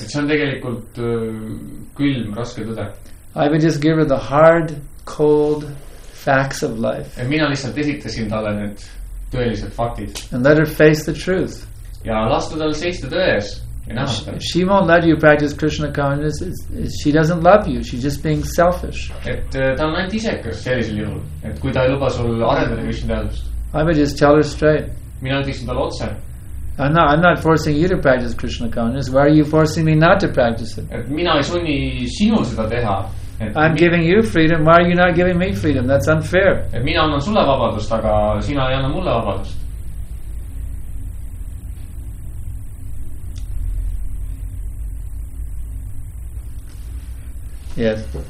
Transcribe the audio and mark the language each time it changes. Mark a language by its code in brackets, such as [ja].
[et] Et see on tegelikult külm, raske tõde. [en] I would just give her the hard, cold facts of life. [et] Ja mina lihtsalt esitasin talle need tõelised faktid. [en] And let her face the truth. [et] Ja lasta talle seista tões. [en] She won't let you practice Krishna consciousness. She doesn't love you. She's just being selfish. [et] Et ta on ainult isekas sellisel juhul. Et kui ta ei luba sul arendada Krishna teadust. [en] I would just tell her straight. [et] Mina ütlesin talle otse. [en] I'm not forcing you to practice Krishna consciousness. Why are you forcing me not to practice it? [et] Et mina ei sunni sinu seda teha. [en] I'm giving you freedom. Why are you not giving me freedom? That's unfair. [et] Et mina annan sulle vabadust, aga sina ei anna mulle vabadust. [en] Yes.